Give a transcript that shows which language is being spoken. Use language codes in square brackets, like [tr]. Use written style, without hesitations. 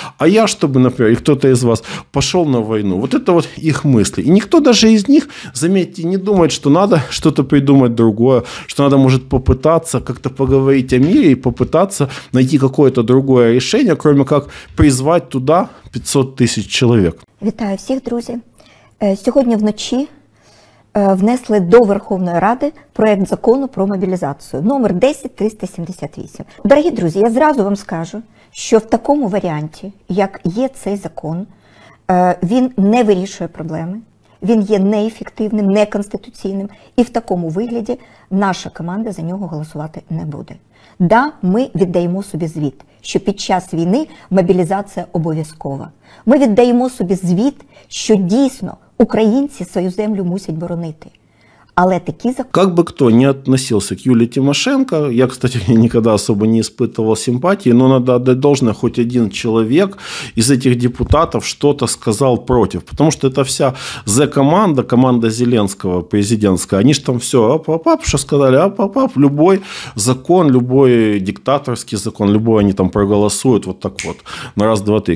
[ru] А я, чтобы, например, и кто-то из вас пошел на войну. Вот это вот их мысли. И никто даже из них, заметьте, не думает, что надо что-то придумать другое, что надо, может, попытаться как-то поговорить о мире и попытаться найти какое-то другое решение, кроме как призвать туда 500 тысяч человек. [uk] Вітаю всіх, друзі. Сьогодні вночі внесли до Верховної Ради проєкт закону про мобілізацію, номер 10378. Дорогі друзі, я зразу вам скажу, що в такому варіанті, як є цей закон, він не вирішує проблеми, він є неефективним, неконституційним, і в такому вигляді наша команда за нього голосувати не буде. Да, ми віддаємо собі звіт, що під час війни мобілізація обов'язкова. Ми віддаємо собі звіт, що дійсно українці свою землю мусять боронити. Але такі закони... [ru] Как бы кто ни относился к Юлии Тимошенко, я, кстати, никогда особо не испытывал симпатии, но надо отдать должное, хоть один человек из этих депутатов что-то сказал против. Потому что это вся Z-команда, команда Зеленского президентская, они же там все ап-ап-ап, что сказали, ап-ап-ап, любой закон, любой диктаторский закон, любой они там проголосуют вот так вот, на раз, два, три.